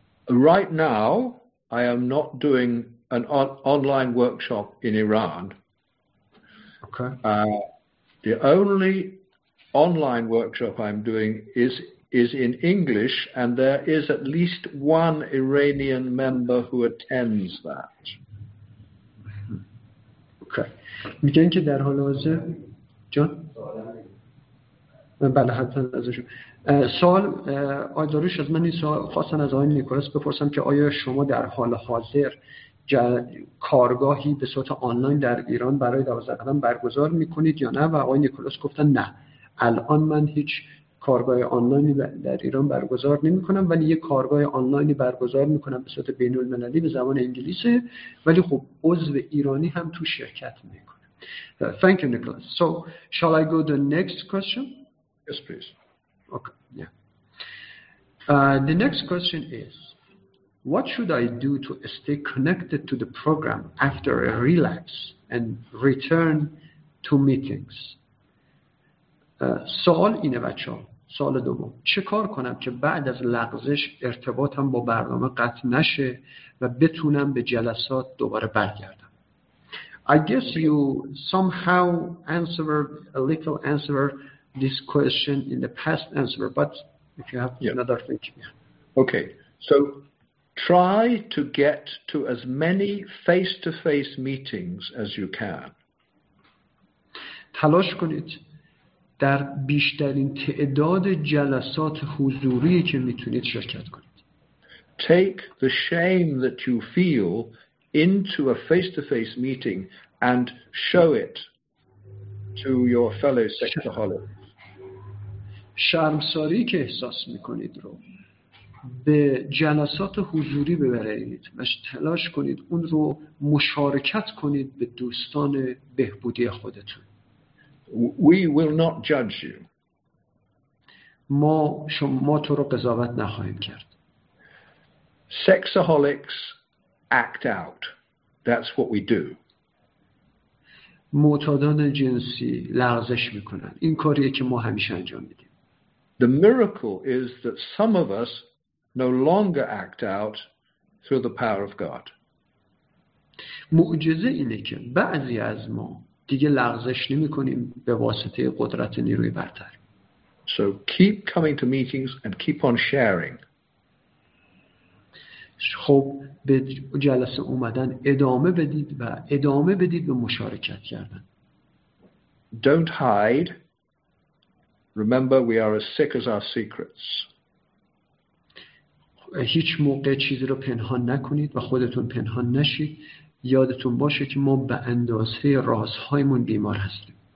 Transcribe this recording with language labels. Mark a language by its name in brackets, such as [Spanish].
[English] Right now, I am not doing an online workshop in Iran. Okay. The only online workshop I'm doing is in English, and there is at least one Iranian member who attends that. Okay. [Persian] میگن که در حال حاضر جان بله حتما ازش سوال آیدارش از من این سوال خواستن از آقای نیکولاس بپرسم که آیا شما در حال حاضر کارگاهی به صورت آنلاین در ایران برای 12 قدم برگزار میکنید یا نه، و آقای نیکولاس گفتن نه، الان من هیچ کارگاه آنلاینی در ایران برگزار نمی کنم، ولی یک کارگاه آنلاینی برگزار می کنم به صورت بین المللی به زبان انگلیسی، ولی خب عضو ایرانی هم تو شرکت می کنم. [English] Thank you, Nicholas. So, shall I go to the next question? Yes, please. Okay, yeah. The next question is, what should I do to stay connected to the program after a relapse and return to meetings? [Persian] سوال اینه بچه ها، سوال دوم، چه کار کنم که بعد از لغزش ارتباطم با برنامه قطع نشه و بتونم به جلسات دوباره برگردم؟ [English] I guess you somehow answered a little answer this question in the past answer, but if you have another thing. Yeah. Okay, so try to get to as many face-to-face meetings as you can. [Persian] تلاش کنید در بیشترین تعداد جلسات حضوری که میتونید شرکت کنید. [English] Take the shame that you feel into a face-to-face meeting and show it to your fellow sexaholics. [Persian] شرمساری که احساس میکنید رو به جلسات حضوری ببرید و تلاش کنید اون رو مشارکت کنید به دوستان بهبودی خودتون. [English] We will not judge you. [Persian] ما تو رو قضاوت نخواهیم کرد. [English] Sexaholics act out. That's what we do. [Persian] معتادان جنسی لغزش میکنن. این کاریه که ما همیشه انجام میدیم. [English] The miracle is that some of us no longer act out through the power of God. [Persian] معجزه اینه که بعضی از ما دیگه لغزش نمی کنیم به واسطه قدرت نیروی برتر. [English] So keep coming to meetings and keep on sharing. [Persian] خب به جلسه اومدن ادامه بدید و ادامه بدید به مشارکت کردن. [English] Don't hide. Remember we are as sick as our secrets. [Persian] هیچ موقع چیزی رو پنهان نکنید و خودتون پنهان نشید. یادتون باشه که ما به اندازه رازهایمون بیمار هستیم.